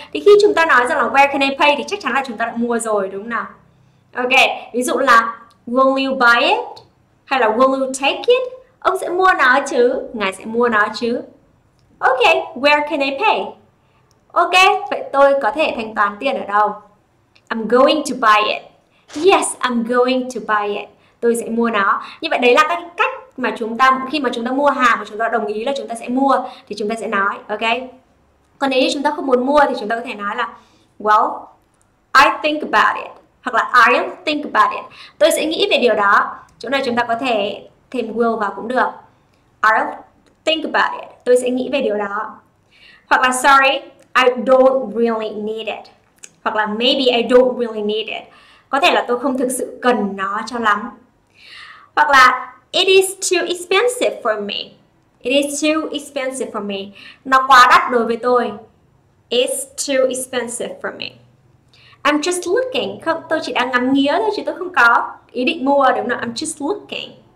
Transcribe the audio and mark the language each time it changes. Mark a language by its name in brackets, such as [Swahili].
[Vietnamese] Thì khi chúng ta nói rằng là [English] where can I pay [Vietnamese] thì chắc chắn là chúng ta đã mua rồi, đúng không nào? Ok, ví dụ là [English] will you buy it? [Vietnamese] Hay là [English] will you take it? [Vietnamese] Ông sẽ mua nó chứ? Ngài sẽ mua nó chứ? [English] Ok, where can I pay? [Vietnamese] Ok, vậy tôi có thể thanh toán tiền ở đâu? [English] I'm going to buy it. Yes, I'm going to buy it. [Vietnamese] Tôi sẽ mua nó. Như vậy đấy là cái cách mà chúng ta, khi mà chúng ta mua hàng và chúng ta đồng ý là chúng ta sẽ mua, thì chúng ta sẽ nói, ok? Còn nếu như chúng ta không muốn mua thì chúng ta có thể nói là [English] well, I think about it. [Vietnamese] Hoặc là [English] I'll think about it. [Vietnamese] Tôi sẽ nghĩ về điều đó. Chỗ này chúng ta có thể thêm will vào cũng được. [English] I'll think about it. [Vietnamese] Tôi sẽ nghĩ về điều đó. Hoặc là [English] sorry, I don't really need it. Hoặc là maybe I don't really need it. [Vietnamese] Có thể là tôi không thực sự cần nó cho lắm. Hoặc là [English] it is too expensive for me. It is too expensive for me. [Vietnamese] Nó quá đắt đối với tôi. [English] It's too expensive for me. I'm just looking. [Vietnamese] Không, tôi chỉ đang ngắm nghía thôi chứ tôi không có ý định mua, đúng không? [English] I'm just looking.